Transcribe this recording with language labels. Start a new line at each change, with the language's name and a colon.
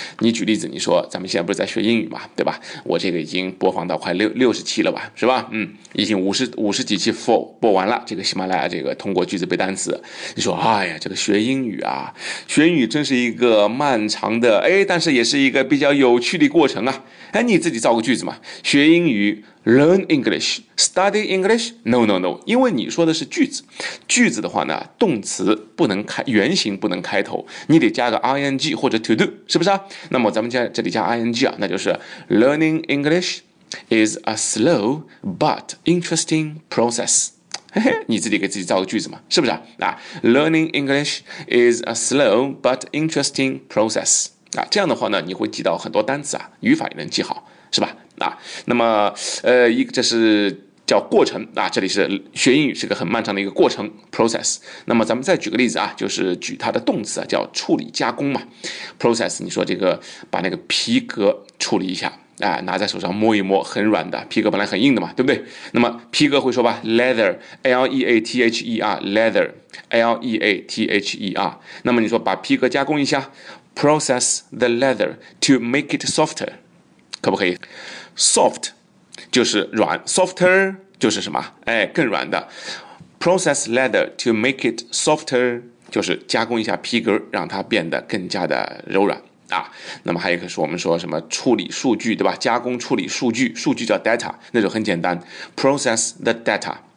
Chinese: 你举例子，你说咱们现在不是在学英语嘛，对吧？我这个已经播放到快60期了吧，是吧？嗯，已经50几期 full 播完了。这个喜马拉雅这个通过句子背单词，你说哎呀，这个学英语啊，学英语真是一个漫长的，哎，但是也是一个比较有趣的过程啊。哎，你自己造个句子嘛，学英语。
English: Learn English, study English? No, no, no.
Chinese: 因为你说的是句子，句子的话呢，动词不能开，原形不能开头，你得加个 ing 或者 to do, 是不是啊？那么咱们这里加 ing 啊，那就是
English: Learning English is a slow but interesting process.
Chinese: 你自己给自己造个句子嘛，是不是 啊 ？
English: Learning English is a slow but interesting process.
Chinese: 啊，这样的话呢，你会记到很多单词啊，语法也能记好。是吧？啊，那么，这是叫过程啊。这里是学英语是个很漫长的一个过程 process。那么咱们再举个例子啊，就是举它的动词啊，叫处理加工嘛。 process， 你说这个把那个皮革处理一下啊，拿在手上摸一摸，很软的皮革本来很硬的嘛，对不对？那么皮革会说吧 ，leather，L-E-A-T-H-E-R，leather，L-E-A-T-H-E-R。那么你说把皮革加工一下 ，
English: process the leather to make it softer。
Chinese: 可不可以 ？soft 就是软 ，softer 就是什么？哎，更软的。
English: process leather to make it softer
Chinese: 就是加工一下皮革，让它变得更加的柔软啊。那么还有一个是我们说什么处理数据，对吧？加工处理数据，数据叫 data， 那就很简单 ，
English: process the data。